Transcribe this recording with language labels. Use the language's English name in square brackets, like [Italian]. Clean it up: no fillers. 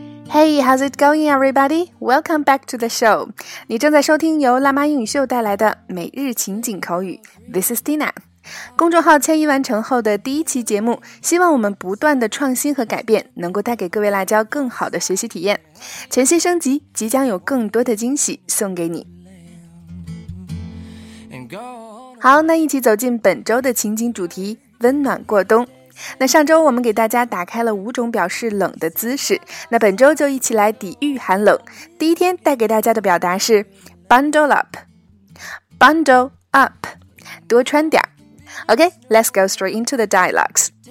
[English] Hey, how's it going, everybody? Welcome back to the show. [Chinese] 你正在收听由辣妈英语秀带来的每日情景口语。 [English] This is Dina. [Chinese] 公众号迁移完成后的第一期节目，希望我们不断的创新和改变，能够带给各位辣椒更好的学习体验。全新升级，即将有更多的惊喜送给你。好，那一起走进本周的情景主题，温暖过冬。那上周我们给大家打开了五种表示冷的姿势，那本周就一起来抵御寒冷。第一天带给大家的表达是 [English] bundle up， bundle up， [Chinese] 多穿点。 [English] OK, let's go straight into the dialogues.